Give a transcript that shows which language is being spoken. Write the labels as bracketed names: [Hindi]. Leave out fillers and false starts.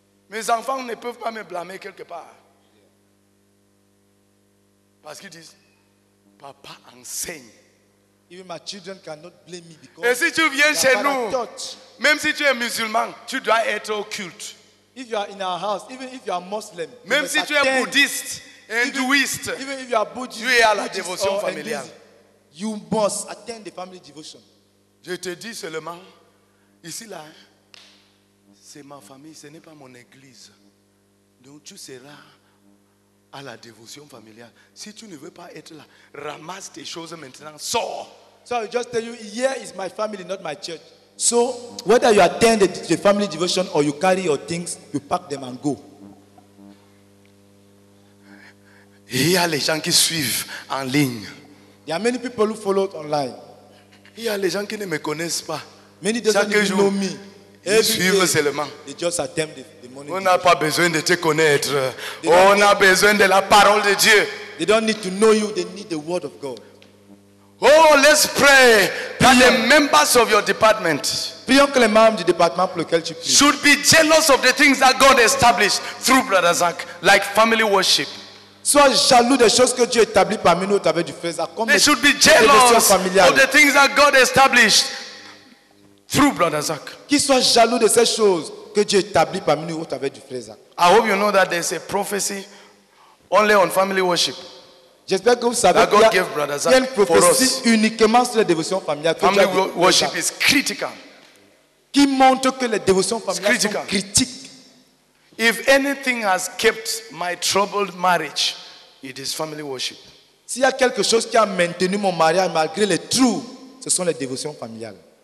[French] Mes enfants ne peuvent pas me blâmer quelque part. Parce qu'ils disent, papa enseigne. [English] Even my children cannot blame me because. [French] Et si tu viens chez nous, même si tu es musulman, tu dois être occulte. [English] If you are in our house, even if you are Muslim, [French] même si tu es bouddhiste, hindouiste, [English] even if you are Buddhist, [French] tu es à la dévotion familiale. [English] You must attend the family devotion. [French] Je te dis seulement, ici là, c'est ma famille, ce n'est pas mon église. Donc tu seras à la dévotion familiale. Si tu ne veux pas être là, ramasse tes choses maintenant. Sors. [English] So I just tell you, here is my family, not my church. So whether you attend the family devotion or you carry your things, you pack them and go. [French] Il y a les gens qui suivent en ligne. [English] There are many people who follow online. [French] Il y a les gens qui ne me connaissent pas. [English] Many doesn't [French] chaque [English] even [French] jour, [English] know me. [French] Ils suivent seulement. [English] They just attend the morning. [French] On n'a pas besoin de te connaître. On a besoin de la parole de Dieu. [English] They don't need to know you. They need the word of God. Oh, let's pray that the members of your department should be jealous of the things that God established through Brother Zach, like family worship. [French] Sois jaloux des choses que Dieu établit parmi nous au travers du frère Zach. [English] They should be jealous of the things that God established through Brother Zach. [French] Qu'ils soient jaloux de ces choses que Dieu établit parmi nous au travers du frère Zach. [English] I hope you know that there's a prophecy only on family worship. [French] J'espère que vous savez [English] that God gave Brother Zach [French] qu'il y a une prophétie uniquement sur les dévotions familiales. [English] Family worship is critical. [French] Qui montre que les dévotions familiales sont critiques. [English] If anything has kept my troubled marriage, it is family worship. [French] S'il y a quelque chose qui a maintenu mon mariage malgré les trous, ce sont les dévotions familiales.